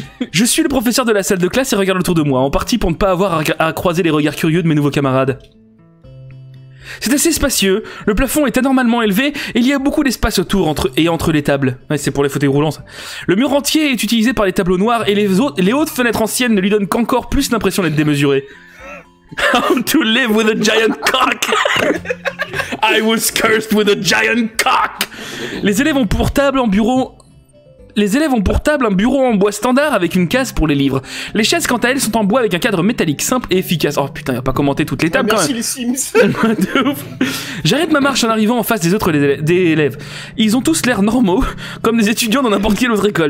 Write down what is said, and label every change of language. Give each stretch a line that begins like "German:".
French: Je suis le professeur de la salle de classe et regarde autour de moi, en partie pour ne pas avoir à croiser les regards curieux de mes nouveaux camarades. C'est assez spacieux, le plafond est anormalement élevé et il y a beaucoup d'espace autour entre les tables. Ouais, c'est pour les fauteuils roulants, ça. Le mur entier est utilisé par les tableaux noirs et les hautes fenêtres anciennes ne lui donnent qu'encore plus l'impression d'être démesurées.
English: How to live with a giant cock. I was cursed with a giant cock.
French: Les élèves ont pour table un bureau en bois standard avec une case pour les livres. Les chaises, quant à elles, sont en bois avec un cadre métallique simple et efficace. Oh putain, y'a pas commenté toutes les tables, ouais, merci quand même. Les Sims. De ouf. J'arrête ma marche en arrivant en face des autres des élèves. Ils ont tous l'air normaux, comme des étudiants dans n'importe quelle autre école.